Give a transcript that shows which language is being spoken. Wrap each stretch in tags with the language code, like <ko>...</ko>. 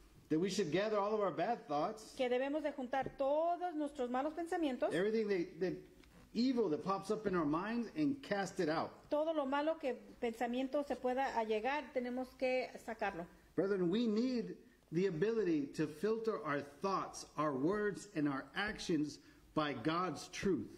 <en>That we should gather all of our bad thoughts.</en> <es>Que debemos de juntar todos nuestros malos pensamientos.</es> <en>Everything that evil that pops up in our mind and cast it out.</en> <es>Todo lo malo que pensamiento se pueda allegar, tenemos que sacarlo.</es> <en>Brethren, we need the ability to filter our thoughts, our words, and our actions by God's truth.</en>